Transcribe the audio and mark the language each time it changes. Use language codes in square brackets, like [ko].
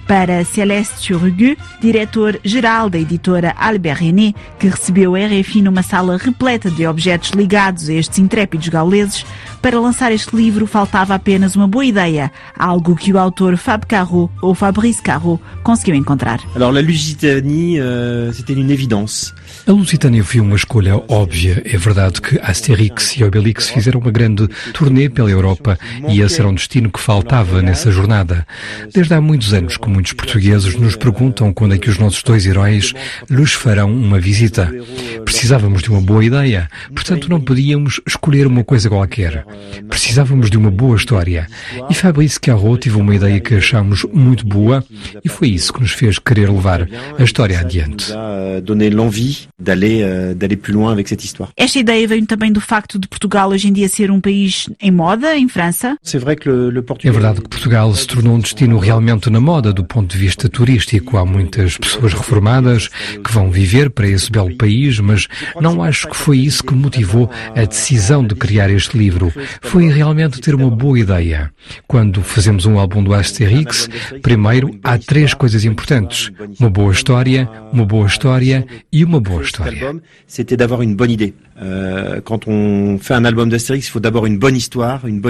[pt] Para Céleste Churugu, diretor geral da editora Albert René, que recebeu a RFI numa sala repleta de objetos ligados a estes intrépidos gauleses, para lançar este livro faltava apenas uma boa ideia, algo que o autor Fab Caro, ou Fabrice Caro, conseguiu encontrar. [fr] Alors, la Lusitanie, c'était une évidence. [pt] A Lusitânia foi uma escolha óbvia. É verdade que Asterix e Obelix fizeram uma grande turnê pela Europa e esse era um destino que faltava nessa jornada. Desde há muitos anos que muitos portugueses nos perguntam quando é que os nossos dois heróis lhes farão uma visita. Precisávamos de uma boa ideia, portanto não podíamos escolher uma coisa qualquer. Precisávamos de uma boa história. E Fabrice Caro teve uma ideia que achámos muito boa e foi isso que nos fez querer levar a história adiante. [fr] D'aller plus loin avec cette histoire. [pt] Esta ideia veio também do facto de Portugal hoje em dia ser um país em moda, em França. [fr] C'est vrai que le Portugal... [pt] É verdade que Portugal se tornou um destino realmente na moda do ponto de vista turístico. Há muitas pessoas reformadas que vão viver para esse belo país, mas não acho que foi isso que motivou a decisão de criar este livro. Foi realmente ter uma boa ideia. Quando fazemos um álbum do Asterix, primeiro há três coisas importantes: uma boa história e uma boa história. [fr] C'était d'avoir une bonne idée. Quando on fait un album d'Astérix, il faut d'abord une bonne histoire.